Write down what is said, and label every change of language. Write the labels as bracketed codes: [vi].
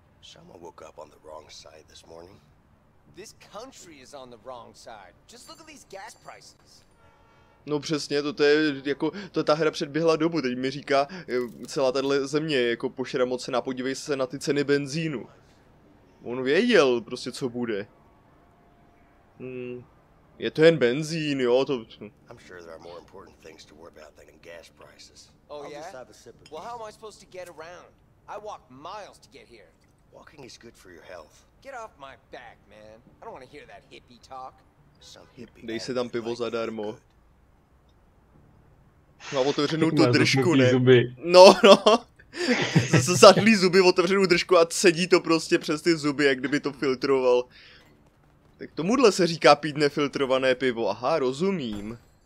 [en] Someone woke up on the wrong side this morning. This country is on the wrong side. Just look at these gas prices. [cs] No přesně, to je jako to ta hra předběhla dobu. Teď mi říká celá tahle země jako pošramocená, podívej se na ty ceny benzínu. On věděl prostě co bude. Je to jen benzín, jo, to. [en] I'm sure there are more important things to worry about than gas prices. Oh yeah. Well, how am I supposed to get around? I walked miles to get here. Walking is good for your health. Get off my back, man. I don't want to hear that hippie talk. Some hippie. [cs] Dej si tam pivo zadarmo. Má otevřenou tu držku, ne? No, no. Zase zadlí zuby, otevřenou držku a sedí to prostě přes ty zuby, jak kdyby to filtroval. Tak tomuhle se říká pít nefiltrované pivo. Aha, rozumím.